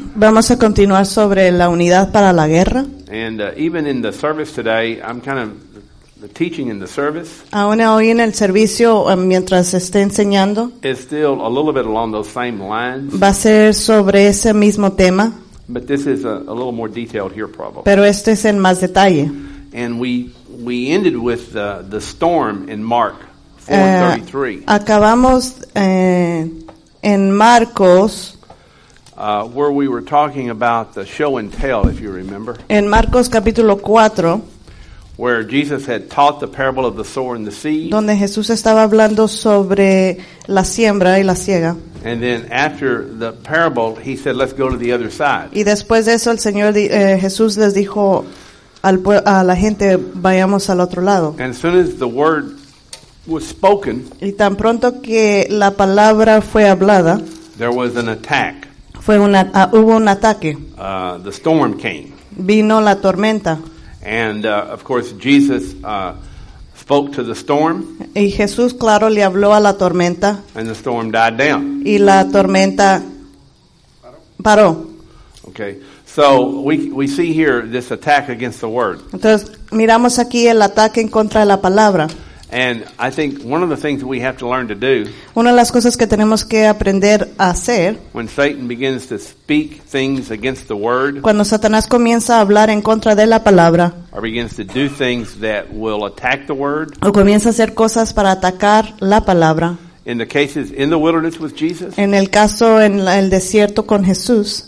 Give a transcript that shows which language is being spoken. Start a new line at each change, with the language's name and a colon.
Spanish: Vamos a continuar sobre la unidad para la guerra.
English: And even in the service today, I'm kind of teaching in the service.
Spanish: Aún hoy en el servicio, mientras esté enseñando,
English: it's still a little bit along those same lines.
Spanish: Va a ser sobre ese mismo tema.
English: But this is a little more detailed here, probably.
Spanish: Pero este es en más detalle.
English: And we ended with the storm in Mark 4:33.
Spanish: Acabamos en Marcos,
English: where we were talking about the show and tell, if you remember.
Spanish: En Marcos capítulo 4,
English: where Jesus had taught the parable of the sower and the seed.
Spanish: Donde Jesús estaba hablando sobre la siembra y la siega.
English: And then after the parable, he said, "Let's go to the other side."
Spanish: Y después de eso, el Señor Jesús les dijo a la gente, vayamos al otro lado.
English: And as soon as the word was spoken,
Spanish: y tan pronto que la palabra fue hablada,
English: there was an attack.
Spanish: Hubo un ataque.
English: The storm came.
Spanish: Vino la tormenta.
English: And of course, Jesus spoke to the storm.
Spanish: Y Jesús, claro, le habló a la tormenta.
English: And the storm died down.
Spanish: Y la tormenta paró.
English: Okay. So we see here this attack against the word.
Spanish: Entonces, miramos aquí el ataque en contra de la palabra.
English: And I think one of the things that we have to learn to do,
Spanish: una de las cosas que tenemos que aprender a hacer,
English: when Satan begins to speak things against the word,
Spanish: cuando Satanás comienza a hablar en contra de la palabra,
English: or begins to do things that will attack the word,
Spanish: o comienza a hacer cosas para atacar la palabra,
English: in the cases in the wilderness with Jesus,
Spanish: en el caso en el desierto con Jesús,